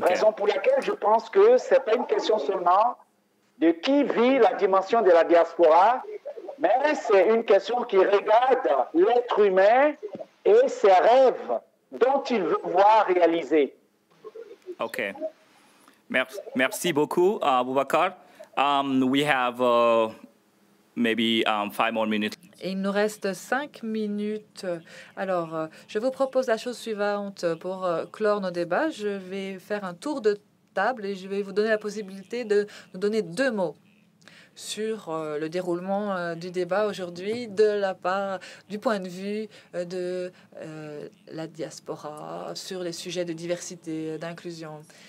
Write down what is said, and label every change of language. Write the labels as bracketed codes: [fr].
[fr] Raison pour laquelle je pense que ce n'est pas une question seulement de qui vit la dimension de la diaspora, mais c'est une question qui regarde l'être humain et ses rêves dont il veut voir réalisés. OK. Merci beaucoup, Aboubakar. [en] We have maybe 5 more minutes. [fr] Il nous reste 5 minutes. Alors, je vous propose la chose suivante pour clore nos débats. Je vais faire un tour de table et je vais vous donner la possibilité de nous donner 2 mots sur le déroulement du débat aujourd'hui de la part du point de vue de la diaspora sur les sujets de diversité, d'inclusion.